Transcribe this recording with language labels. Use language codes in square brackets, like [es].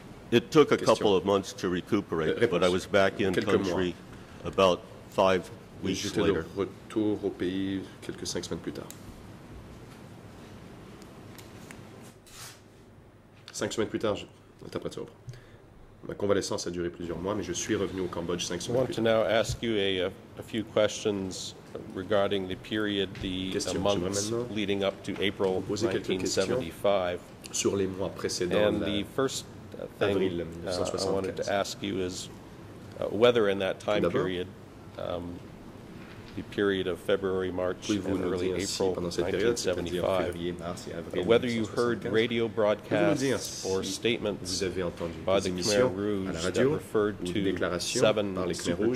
[en] It took a couple of months to recuperate, but I was back in country about 5 weeks later. [fr] J'étais de retour au pays quelques 5 semaines plus tard. 5 semaines plus tard, j'interprète ça. Ma convalescence a duré plusieurs mois, mais je suis revenu au Cambodge 5 semaines plus tard. [en] I want to now ask you a few questions regarding the period, the months leading up to April 1975. [fr] Sur les mois précédents. [en] And the first thing I wanted to ask you is whether in that time period, the period of February, March, and early April 1975, whether you heard radio broadcasts or statements by the Khmer Rouge that referred to seven super